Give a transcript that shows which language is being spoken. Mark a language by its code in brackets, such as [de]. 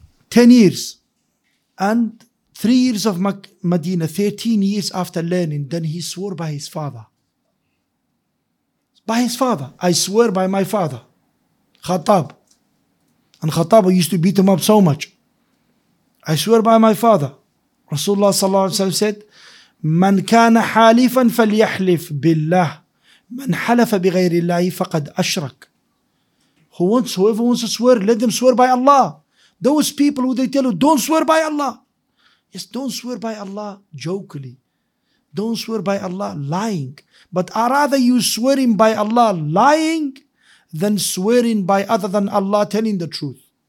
[en] 10 years and 3 years of Medina, 13 years after learning, then he swore by his father. By his father. I swear by my father, Khattab. And Khattab used to beat him up so much. I swear by my father. Rasulullah sallallahu alayhi wa sallam said, [ar] من كان حالفا فليحلف بالله من حلف بغير الله فقد أشرك [en] whoever wants to swear, let them swear by Allah. Those people who they tell you, don't swear by Allah. Yes, don't swear by Allah jokingly. Don't swear by Allah lying. But I rather you swearing by Allah lying than swearing by other than Allah telling the truth.